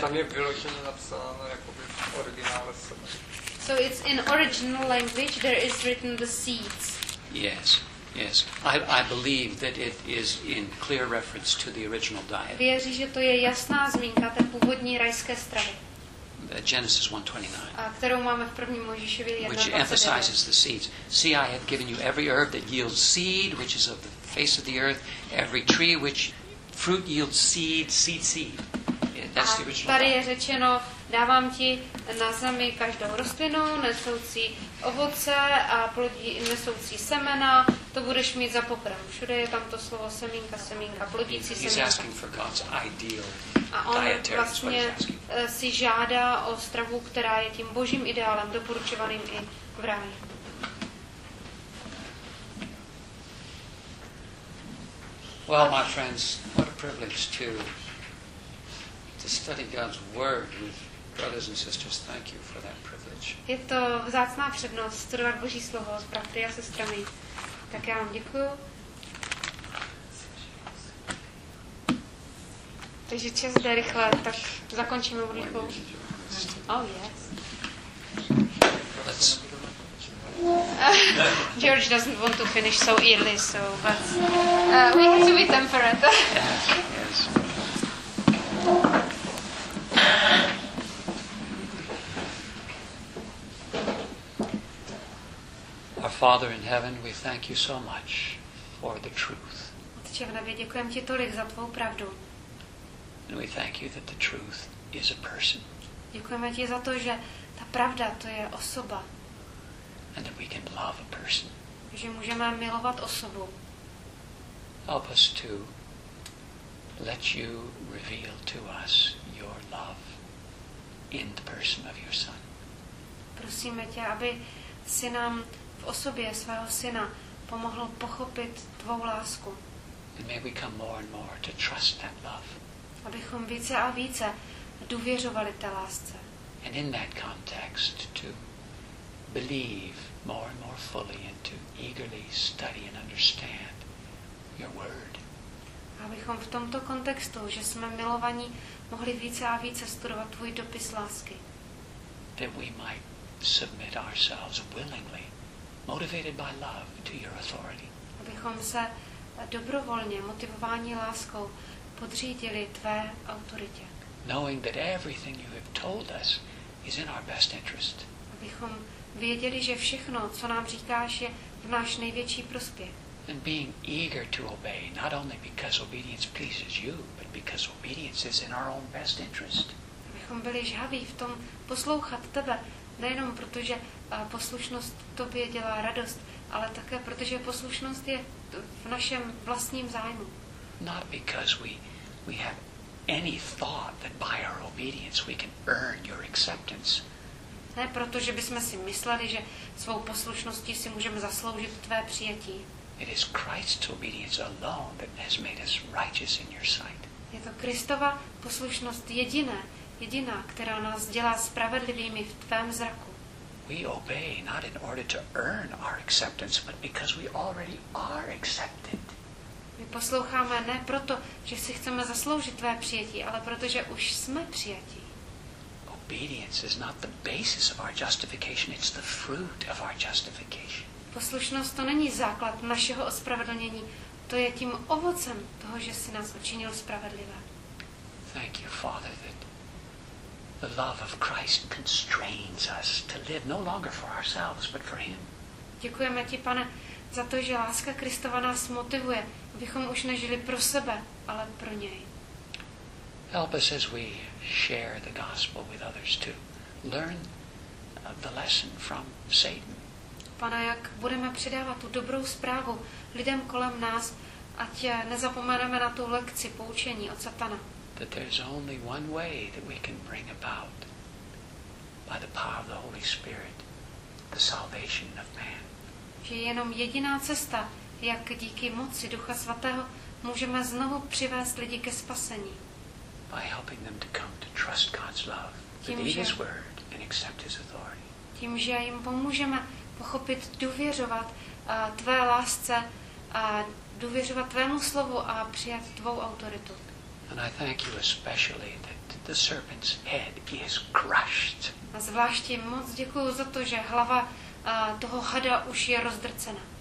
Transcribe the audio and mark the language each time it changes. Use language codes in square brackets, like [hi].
[cs] Tam je vyloženě napsáno jako by v originále semeno. [en] So it's in original language there is written the seeds. Yes. Yes, I believe that it is in clear reference to the original diet. [cs] Věří, že to je jasná zmínka té původní rajské stravy. [en] Genesis 1:29. [cs] A kterou máme v prvním Mojžíšově 1:29. [en] Which emphasizes the seeds. See, I have given you every herb that yields seed, which is of the face of the earth, every tree which fruit yields seed, seed, seed. That's the original. [cs] A tady je řečeno, dávám ti na zemi každou rostlinu, nesoucí ovoce a plodí nesoucí semena, to budeš mít za pokrm. Všude je tam to slovo semínka, semínka, plodící semínka. [en] He's asking for God's ideal [cs] a on vlastně si žádá o stravu, která je tím Božím ideálem, doporučovaným i v ráji. [en] Well, my friends, what a privilege to study God's word with brothers and sisters. Thank you for that privilege. [cs] Je to vzácná přednost studovat Boží slovo s bratry a sestrami. Tak já vám děkuju. Takže čas jde rychle, tak zakončíme modlitbou. [en] Oh, yes. Let's... George doesn't want to finish so early, so... But, we have to be temperate. Yes. Our Father in heaven, we thank you so much for the truth. [cs] Otče v nebi, děkujem ti tolik za tvou pravdu. [en] And we thank you that the truth is a person. [cs] Děkujeme ti za to, že ta pravda to je osoba. [en] And that we can love a person. [cs] Že můžeme milovat osobu. [en] Help us to let you reveal to us your love in the person of your son. [cs] Prosíme tě, aby si nám v osobě svého syna pomohlo pochopit tvou lásku. [en] And may we come more and more to trust that love. [cs] Abychom více a více důvěřovali té lásce. [en] And in that context to believe more and more fully and to eagerly study and understand your word. [cs] Abychom v tomto kontextu, že jsme milovaní, mohli více a více studovat tvůj dopis lásky. [en] That we might submit ourselves willingly, motivated by love, to your authority. [cs] Abychom se dobrovolně, motivováni láskou, podřídili tvé autoritě. [en] Knowing that everything you have told us is in our best interest. [cs] Abychom věděli, že všechno, co nám říkáš, je v náš největší prospěch. [en] And being eager to obey, not only because obedience pleases you, but because obedience is in our own best interest. [cs] Abychom byli žhaví v tom poslouchat tebe, nejenom protože poslušnost tobě dělá radost, ale také protože poslušnost je v našem vlastním zájmu. [en] Not because we have any thought that by our obedience we can earn your acceptance. [cs] Ne proto, že bychom si mysleli, že svou poslušností si můžeme zasloužit tvé přijetí. [en] It is Christ's obedience alone that has made us righteous in your sight. [cs] Je to Kristova poslušnost jediná, která nás dělá spravedlivými v tvém zraku. [en] We obey not in order to earn our acceptance, but because we already are accepted. [cs] My posloucháme ne proto, že si chceme zasloužit tvé přijetí, ale protože už jsme přijetí. [en] Obedience is not the basis of our justification, it's the fruit of our justification. [cs] Poslušnost to není základ našeho ospravedlnění, to je tím ovocem toho, že si nás učinil spravedlivé. [en] Thank you, Father, that the love of Christ constrains us to live no longer for ourselves, but for him. [cs] Děkujeme ti, Pane, za to, že láska Kristova nás motivuje, abychom už nežili pro sebe, ale pro něj. [en] Help us as we share the gospel with others to learn the lesson from Satan. [cs] Pane, jak budeme předávat tu dobrou zprávu lidem kolem nás, ať nezapomeneme na tu lekci poučení od Satana. [en] That there's only one way that we can bring about by the power of the Holy Spirit the salvation of man. [cs] Že je jenom jediná cesta, jak díky moci Ducha Svatého můžeme znovu přivést lidi ke spasení. [en] By helping them to come to trust God's love, believe His word and accept His authority. [cs] Tím, že jim pomůžeme pochopit, důvěřovat tvé lásce a důvěřovat tvému slovu a přijat tvou autoritu. [en] And I thank you especially that the serpent's head is crushed. [cs] A zvláště moc děkuju za to, že hlava toho hada už je rozdrcena.